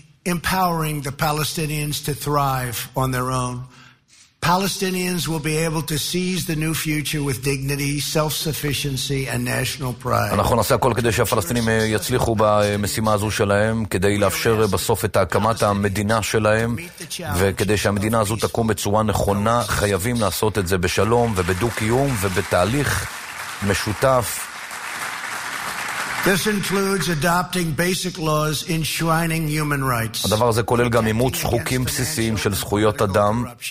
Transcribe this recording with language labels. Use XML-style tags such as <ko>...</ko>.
<en>Empowering the Palestinians to thrive on their own. Palestinians will be able to seize the new future with dignity, self-sufficiency and national pride.</en> <he>אנחנו נעשה הכל כדי שהפלסטינים יצליחו במשימה הזו שלהם, כדי לאפשר בסוף את הקמת המדינה שלהם, וכדי שהמדינה הזו תקום בצורה נכונה, חייבים לעשות את זה בשלום ובדו-קיום ובתהליך משותף.</he> <en>This includes adopting basic laws enshrining human rights.</en> <he>הדבר הזה כולל גם אימוץ חוקים בסיסיים של זכויות אדם.</he>